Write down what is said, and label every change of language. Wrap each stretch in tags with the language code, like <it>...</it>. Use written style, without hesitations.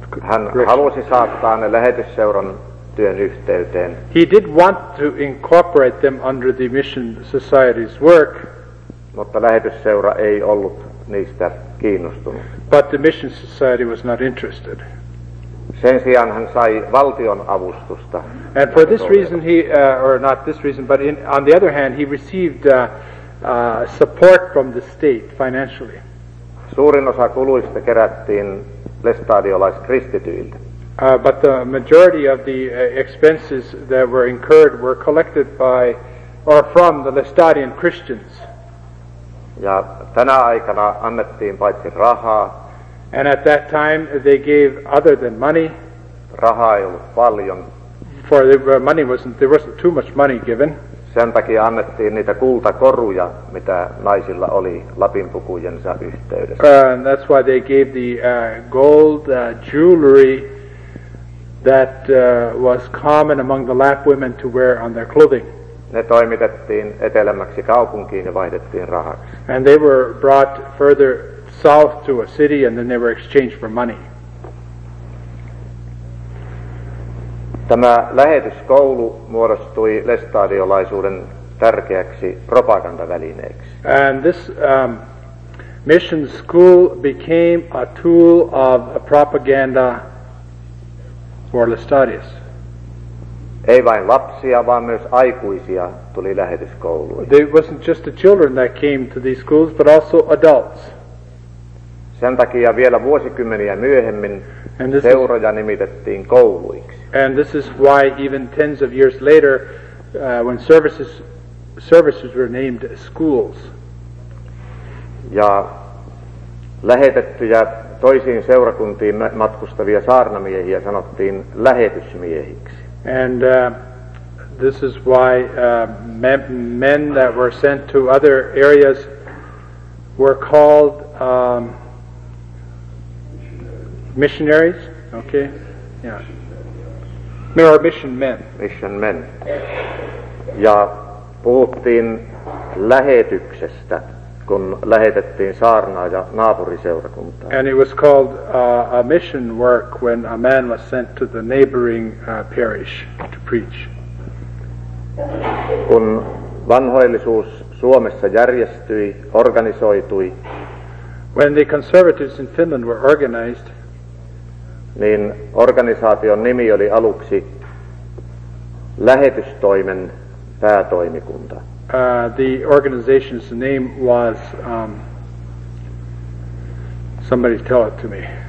<fi>Hän halusi saattaa ne lähetysseuran työn yhteyteen.</fi> <en>He did want to incorporate them under the mission society's work.</en> <fi>Mutta lähetysseura ei ollut niistä kiinnostunut.</fi> <en>But the mission society was not interested.</en> <fi>Sen sijaan hän sai valtion avustusta.</fi> <en>And for this reason he, or not this reason, but in, on the other hand, he received support from the state financially.</en> <fi>Suurin osa kuluista kerättiin lestadiolaiskristityiltä.</fi> <en>But the majority of the expenses that were incurred were collected by, or from the Lestadian Christians.</en> <fi>Ja tänä aikana annettiin paitsi rahaa.</fi> <en>And at that time they gave other than money.</en> <fi>Rahaa ei ollut paljon.</fi> <en>For the money wasn't, there wasn't too much money given.</en> <fi>Sen takia annettiin niitä kultakoruja, mitä naisilla oli Lapin pukujensa yhteydessä.</fi> <en>That's why they gave the gold jewelry that was common among the Lap women to wear on their clothing.</en> <fi>Ne toimitettiin etelämmäksi kaupunkiin ja vaihdettiin rahaksi.</fi> <en>And they were brought further south to a city and then they were exchanged for money.</en> <fi>Tämä lähetyskoulu muodostui lestadiolaisuuden tärkeäksi propagandavälineeksi.</fi> <en>And this mission school became a tool of a propaganda for Lestadius.</en> <fi>Ei vain lapsia, vaan myös aikuisia tuli lähetyskouluun.</fi> <en>It wasn't just the children that came to these schools, but also adults.</en> <fi>Sen takia vielä vuosikymmeniä myöhemmin seuroja nimitettiin kouluiksi.</fi> <en>And this is why even tens of years later, when services were named schools.</en> <fi>Ja lähetettyjä toisiin seurakuntiin matkustavia saarnamiehiä sanottiin lähetysmiehiksi.</fi> <en>And this is why men that were sent to other areas were called missionaries. Okay, yeah. There are mission men. Mission men.</en> <fi>Ja puhuttiin lähetyksestä, kun lähetettiin saarnaaja naapuriseurakuntaan.</fi> <en>And it was called a mission work when a man was sent to the neighboring parish to preach.</en> <fi>Kun vanhoillisuus Suomessa järjestyi, organisoitui.</fi> <en>When the conservatives in Finland were organized,</en> <fi>niin organisaation nimi oli aluksi lähetystoimen päätoimikunta.</fi> <en>The organization's name was somebody tell it to me.</en>